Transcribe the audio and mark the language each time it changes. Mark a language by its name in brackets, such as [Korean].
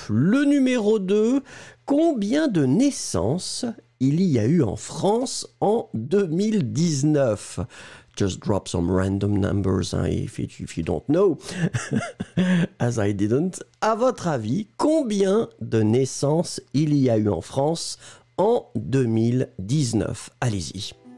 [French] Le numéro 2, combien de naissances il y a eu en France en 2019? [English] Just drop some random numbers if you don't know. As I didn't. [French] À votre avis, combien de naissances il y a eu en France en 2019? Allez-y.